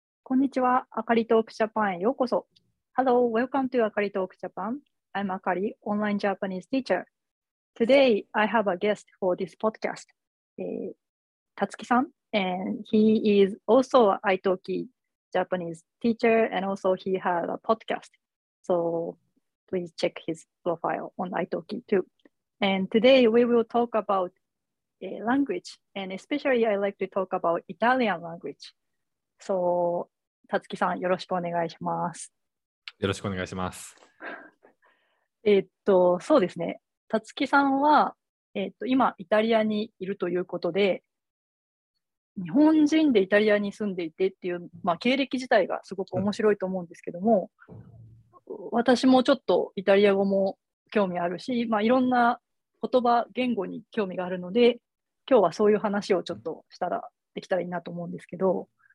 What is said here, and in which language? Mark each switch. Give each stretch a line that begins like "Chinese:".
Japanese: こんにちは、あかりトークジャパンへようこそ。
English: Hello, welcome to Akari Talk Japan. I'm Akari, online Japanese teacher. Today, I have a guest for this podcast, Tatsuki さん, and he is also an italki Japanese teacher, and also he has a podcast. So please check his profile on italki too. And today, we will talk about language, and especially I like to talk about Italian language.
Japanese: So, Tatsuki さん、よろしくお願いします。よろしくお願いします。そうですね。 Tatsuki さんは、今、イタリアにいるということで、日本人でイタリアに住んでいてっていう、まあ、経歴自体がすごく面白いと思うんですけども、私もちょっとイタリア語も興味あるし、まあ、いろんな言葉、言語に興味があるので、今日はそういう話をちょっとしたら、できたらいいなと思うんですけど、